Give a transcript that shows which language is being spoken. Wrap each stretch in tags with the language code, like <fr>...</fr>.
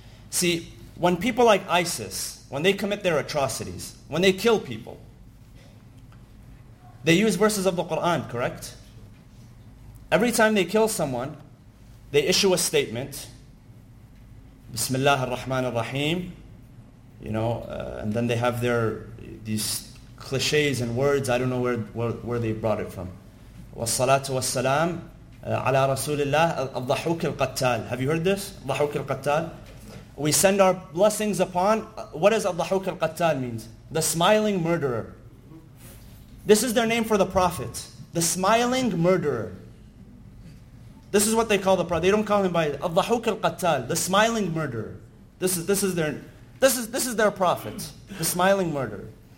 <en>See, when people like ISIS, when they commit their atrocities, when they kill people, they use verses of the Quran, correct? Every time they kill someone, they issue a statement, Bismillah ar-Rahman ar-Rahim, you know, and then they have these cliches and words, I don't know where they brought it from.</en> <ar>وَالصَّلَاةُ وَالسَّلَامُ عَلَىٰ رَسُولِ اللَّهِ الضَّحُوكِ الْقَتَّالِ.</ar> <en>Have you heard this?</en> <ar>الضَّحُوكِ الْقَتَّالِ.</ar> <en>We send our blessings upon, what does Al-Dahuk Al-Qattal means? The smiling murderer. This is their name for the Prophet. The smiling murderer. This is what they call the Prophet. They don't call him by Al-Dahuk Al-Qattal, the smiling murderer. This is their Prophet, the smiling murderer.</en>